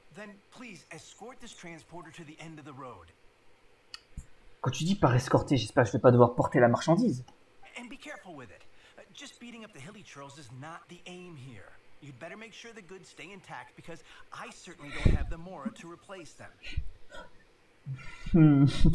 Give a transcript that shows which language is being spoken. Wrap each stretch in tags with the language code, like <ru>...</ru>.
<en>Then please escort this transporter to the end of the road.</en> <fr>Quand tu dis par escorter, j'espère que je vais pas devoir porter la marchandise.</fr> <en>And be careful with it. Just beating up the hilly churls is not the aim here. You'd better make sure the goods stay intact because I certainly don't have the mora to replace them.</en>